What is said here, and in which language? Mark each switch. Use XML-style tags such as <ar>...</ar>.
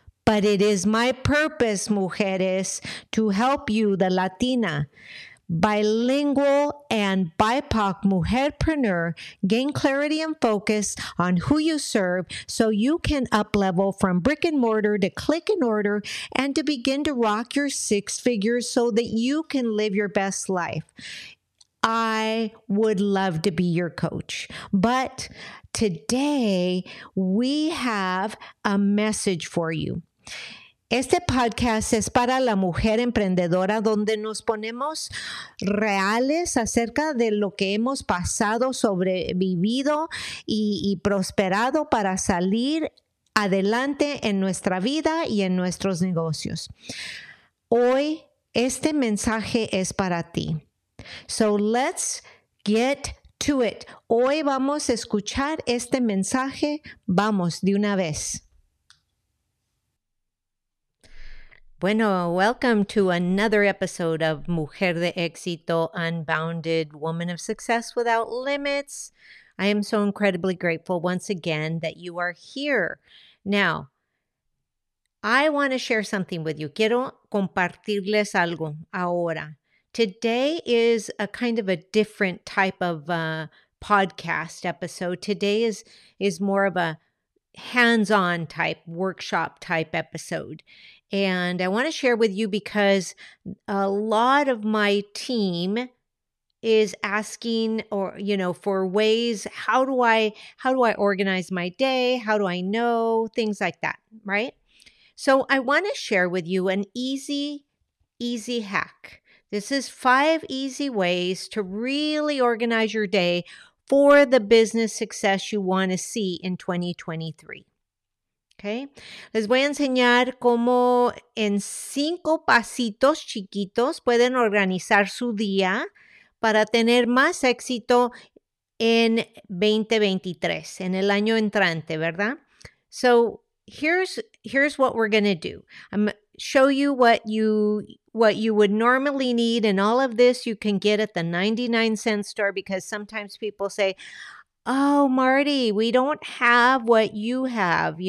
<en>But it is my purpose, mujeres, to help you, the Latina, bilingual and BIPOC mujerpreneur, gain clarity and focus on who you serve so you can up-level from brick and mortar to click and order and to begin to rock your six figures so that you can live your best life. I would love to be your coach, but today we have a message for you.</en> <es>Este podcast es para la mujer emprendedora donde nos ponemos reales acerca de lo que hemos pasado, sobrevivido y prosperado para salir adelante en nuestra vida y en nuestros negocios. Hoy este mensaje es para ti. So let's get to it. Hoy vamos a escuchar este mensaje. Vamos de una vez. Bueno,</es> <en>welcome to another episode of Mujer de Éxito Unbounded, Woman of Success Without Limits. I am so incredibly grateful once again that you are here. Now, I want to share something with you.</en> <es>Quiero compartirles algo ahora.</es> <en>Today is a kind of a different type of podcast episode. Today is more of a hands-on type, workshop type episode. And I want to share with you because a lot of my team is asking or, you know, for ways, how do I organize my day? How do I know? Things like that, right? So I want to share with you an easy hack. This is five easy ways to really organize your day for the business success you want to see in 2023. Okay. Les voy</en> <es>a enseñar cómo en cinco pasitos chiquitos pueden organizar su día para tener más éxito en 2023, en el año entrante, ¿verdad?</es> <en>So here's what we're going to do. I'm show you what you would normally need, and all of this you can get at the 99-cent store, because sometimes people say, oh, Marti, we don't have what you have.</en>